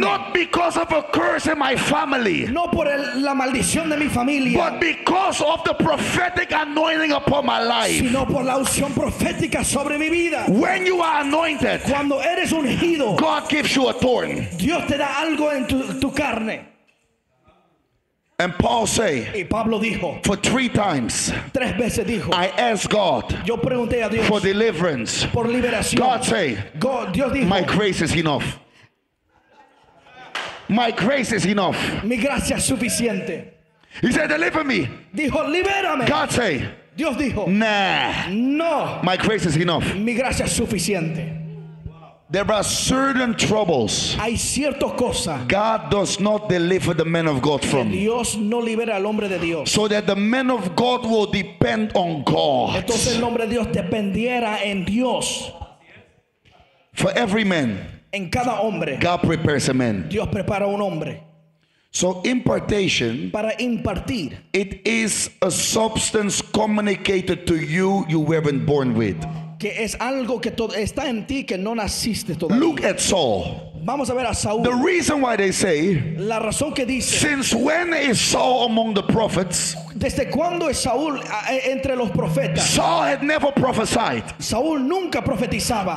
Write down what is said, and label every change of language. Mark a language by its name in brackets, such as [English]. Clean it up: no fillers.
[English] Not because of a curse in my family. [Spanish] No por la maldición de mi familia. [English] But because of the prophetic anointing upon my life. [Spanish] Sino por la unción profética sobre mi vida. [English] When you are anointed. [Spanish] Cuando eres ungido. [English] God gives you a thorn. [Spanish] Dios te da algo en tu carne. [English] And Paul say. [Spanish] Y Pablo dijo. [English] For three times. [Spanish] Tres veces dijo. [English] I ask God. [Spanish] Yo pregunté a Dios. [English] For deliverance. [Spanish] Por liberación. [English] God say. [Spanish] God, Dios dijo. [English] My grace is enough. My grace is enough. [Spanish] Mi gracia es suficiente. [English] He said, deliver me. [Spanish] Dijo, libérame. [English] God say. [Spanish] Dios dijo. [English] Nah. [Spanish] No. [English] My grace is enough. [Spanish] Mi gracia es suficiente. [English] There are certain troubles. [Spanish] Hay ciertas cosas. [English] God does not deliver the man of God from. [Spanish] Dios no libera al hombre de Dios. [English] So that the man of God will depend on God. [Spanish] Entonces el hombre de Dios dependiera en Dios. [English] For every man. [Spanish] En cada hombre. [English] God prepares a man. [Spanish] Dios prepara un hombre. [English] So impartation. [Spanish] Para impartir. [English] It is a substance communicated to you you weren't born with. [Spanish] Que es algo que está en ti que no naciste todavía. [English] Look at Saul. [Spanish] Vamos a ver a Saúl. [English] The reason why they say. [Spanish] La razón que dice. [English] Since when is Saul among the prophets? [Spanish] Desde cuándo es Saúl entre los profetas? [English] Saul had never prophesied. [Spanish] Saúl nunca profetizaba.